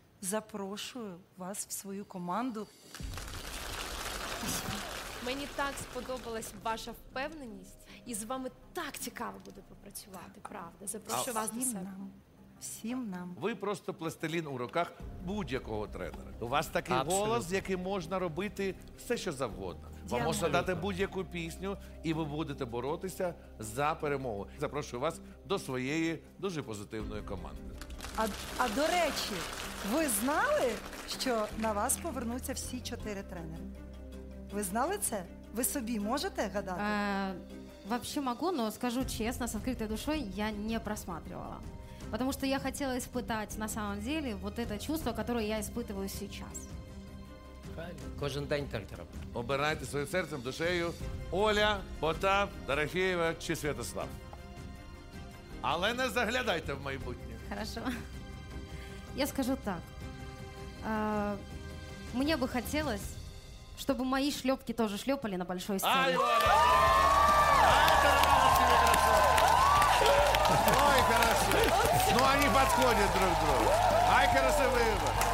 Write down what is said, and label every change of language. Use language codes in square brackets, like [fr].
[uk] Запрошую вас в свою команду. Мені так сподобалась ваша впевненість. І з вами так цікаво буде попрацювати, правда. Запрошую вас до себе. Всім нам. Ви просто пластилін у руках будь-якого тренера. У вас такий голос, який можна робити все, що завгодно. Вам можна дати будь-яку пісню, і ви будете боротися за перемогу. Запрошую вас до своєї дуже позитивної команди. А до речі, ви знали, що на вас повернуться всі 4 тренери? Ви знали це? Ви собі можете гадати? Взагалі можу, але скажу чесно, з відкритою душою, я не просматривала. Тому що я хотіла спитати [ru] на самом деле вот это чувство, которое я испытываю сейчас. [uk] Кожен день тренером. Обирайте своїм серцем, душею. Оля, Потап, Дорофєєва чи Святослав. Але не заглядайте в майбутнє. [ru] Хорошо. Я скажу так. Мне бы хотелось, чтобы мои шлепки тоже шлепали на большой сцене. Ой, хорошо. Ну, они подходят друг к другу. Ай, хорошо, выбор.